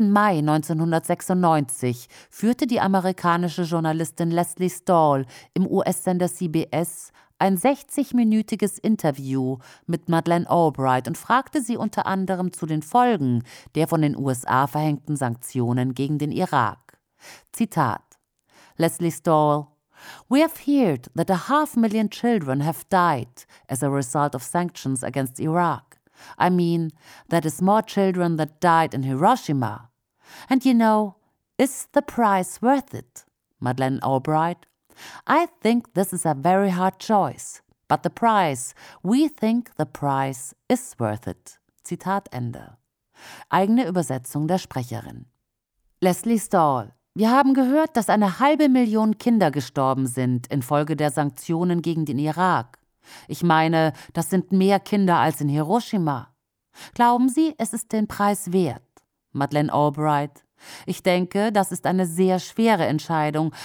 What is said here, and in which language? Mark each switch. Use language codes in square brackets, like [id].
[de] Mai 1996 führte die amerikanische Journalistin Leslie Stahl im US-Sender CBS ein 60-minütiges Interview mit Madeleine Albright und fragte sie unter anderem zu den Folgen der von den USA verhängten Sanktionen gegen den Irak. Zitat: [en] Leslie Stahl: We have heard that 500,000 children have died as a result of sanctions against Iraq. I mean, that is more children that died in Hiroshima. And you know, is the price worth it? Madeleine Albright: I think this is a very hard choice, but the price, we think the price is worth it. [de] Zitat Ende. Eigene Übersetzung der Sprecherin. Leslie Stahl: Wir haben gehört, dass 500,000 Kinder gestorben sind infolge der Sanktionen gegen den Irak. Ich meine, das sind mehr Kinder als in Hiroshima. Glauben Sie, es ist den Preis wert? Madeleine Albright: Ich denke, das ist eine sehr schwere Entscheidung.